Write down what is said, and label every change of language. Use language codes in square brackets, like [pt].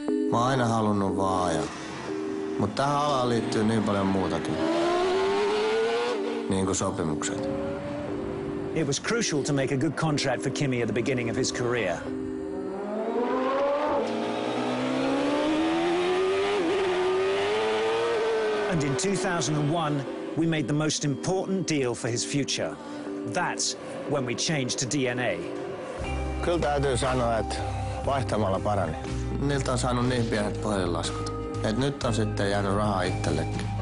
[fi] Mä oon aina halunnut vaan ajaa. Mut tähän alaan liittyy niin paljon muutakin. Niin kuin sopimukset. [en] It was crucial to make a good contract for Kimi at the beginning of his career. And in 2001, we made the most important deal for his future. That's when we changed to DNA. [fi] Kyllä täytyy sanoa, että vaihtamalla parani. Niiltä on saanut niin pienet puhelinlaskut, että nyt on sitten jäänyt rahaa itsellekin.